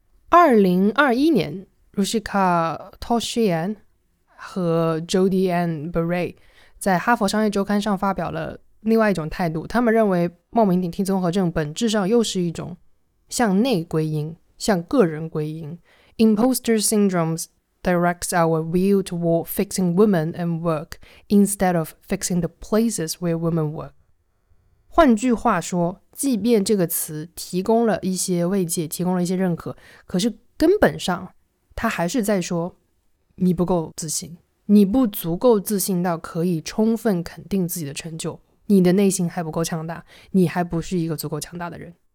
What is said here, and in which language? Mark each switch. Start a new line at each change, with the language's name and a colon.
Chinese: 2021年 Rushika Toshian 和 Jodi Ann Beray 在哈佛商业周刊上发表了另外一种态度，他们认为冒名顶替综合症本质上又是一种向内归因，向个人归因。
English: Imposter syndromes directs our view toward fixing women and work instead of fixing the places where women work。
Chinese: 换句话说，即便这个词提供了一些慰藉，提供了一些认可，可是根本上它还是在说你不够自信，你不足够自信到可以充分肯定自己的成就，你的内心还不够强大，你还不是一个足够强大的人。